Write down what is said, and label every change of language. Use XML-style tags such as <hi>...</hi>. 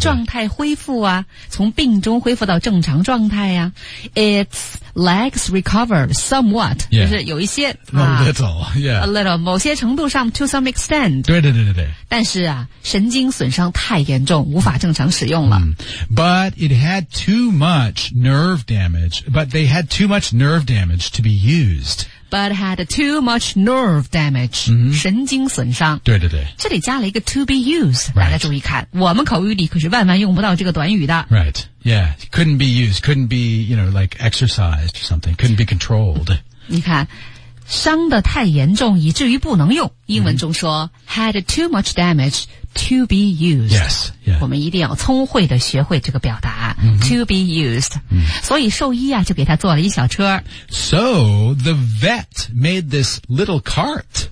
<zh>状态恢复啊从病中恢复到正常状态啊</zh> <en>Its legs recovered somewhat、 yeah.</en> <zh>就是有一些</zh> <en>A little、yeah. A little</en> <zh>某些程度上</zh> <en>To some extent</en> <zh>对对对对对但是啊神经损伤太严重无法正常使用了、</zh> <en>But it had too much nerve damageBut they had too much nerve damage to be used. But had too much nerve damage.、</en> <zh>神经损伤。对对对。这里加了一个</zh> <en>to be used.、 Right.</en> <zh>大家注意看。我们口语里可是万万用不到这个短语的。</zh> <en>Right. Yeah. Couldn't be used. Couldn't be, you know, like exercised or something. Couldn't be controlled.</en> <zh>你看。伤得太严重以至于不能用。英文中说、</zh> <en>had too much damage to be used. Yes, yeah.</en> <zh>我们一定要聪慧地学会这个表达、</zh> <en>to be used.、</en> <zh>所以兽医啊就给他做了一小车。</zh> <en>So, the vet made this little cart.</en>